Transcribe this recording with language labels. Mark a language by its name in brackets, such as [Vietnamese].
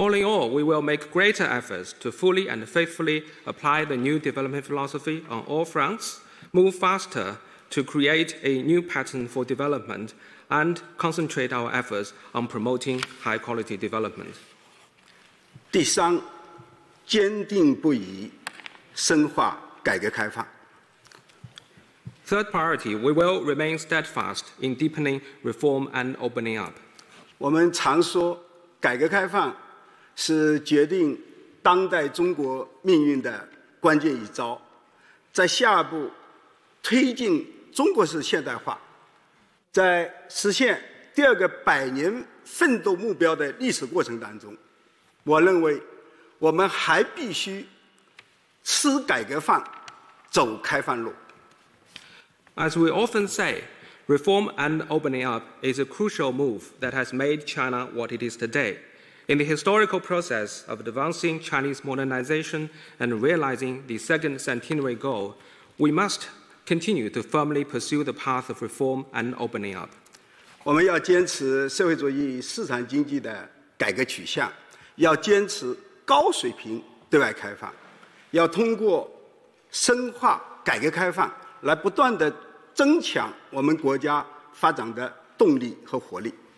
[English] All in all, we will make greater efforts to fully and faithfully apply the new development philosophy on all fronts, move faster to create a new pattern for development, and concentrate our efforts on promoting high quality development. [Chinese] 第三，坚定不移深化改革开放。 [English] Third priority, we will remain steadfast in deepening reform and opening up. [Chinese] 我们常说改革开放是决定当代中国命运的关键一招，在下一步推进中国式现代化，在实现第二个百年奋斗目标的历史过程当中，我认为我们还必须吃改革饭，走开放路。 [English] As we often say, reform and opening up is a crucial move that has made China what it is today. In the historical process of advancing Chinese modernization and realizing the second centenary goal, we must continue to firmly pursue the path of reform and opening up. [Chinese] 我们要坚持社会主义市场经济的改革取向，要坚持高水平对外开放，要通过深化改革开放来不断地增强我们国家发展的动力和活力。